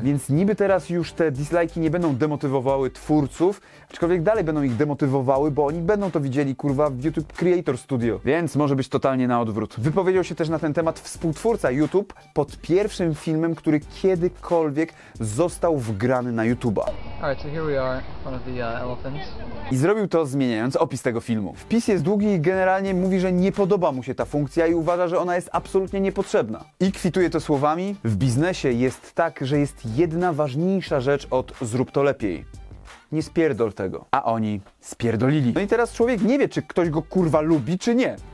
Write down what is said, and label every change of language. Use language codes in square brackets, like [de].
[pl] Więc niby teraz już te dislike'i nie będą demotywowały twórców, aczkolwiek dalej będą ich demotywowały, bo oni będą to widzieli, kurwa, w YouTube Creator Studio. Więc może być totalnie na odwrót. Wypowiedział się też na ten temat współtwórca YouTube pod pierwszym filmem, który kiedykolwiek został wgrany na YouTube'a. [en] Alright, so here we are, one of the elephants. [pl] I zrobił to zmieniając opis tego filmu. Wpis jest długi i generalnie mówi, że nie podoba mu się ta funkcja i uważa, że ona jest absolutnie niepotrzebna. I kwituje to słowami: w biznesie jest tak, że jest jedna ważniejsza rzecz od zrób to lepiej. Nie spierdol tego. A oni spierdolili. No i teraz człowiek nie wie, czy ktoś go kurwa lubi, czy nie.